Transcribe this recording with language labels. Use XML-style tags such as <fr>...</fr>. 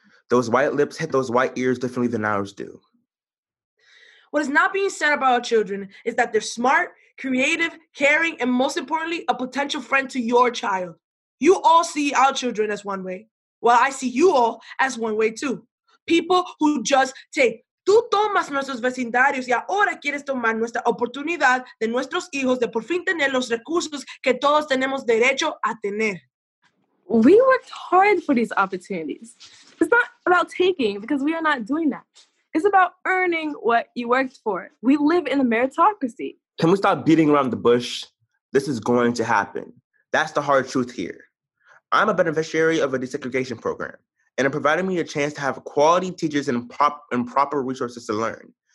<en>Those white lips hit those white ears differently than ours do. What is not being said about our children is that they're smart, creative, caring, and most importantly, a potential friend to your child. You all see our children as one way. Well, I see you all as one way too. People who just take.</en> <es>Tú tomas nuestros vecindarios y ahora quieres tomar nuestra oportunidad de nuestros hijos de por fin tener los recursos que todos tenemos derecho a tener.</es> <en>We worked hard for these opportunities. It's not about taking because we are not doing that. It's about earning what you worked for. We live in a meritocracy. Can we stop beating around the bush? This is going to happen. That's the hard truth here. I'm a beneficiary of a desegregation program, and it provided me a chance to have quality teachers and proper resources to learn.</en>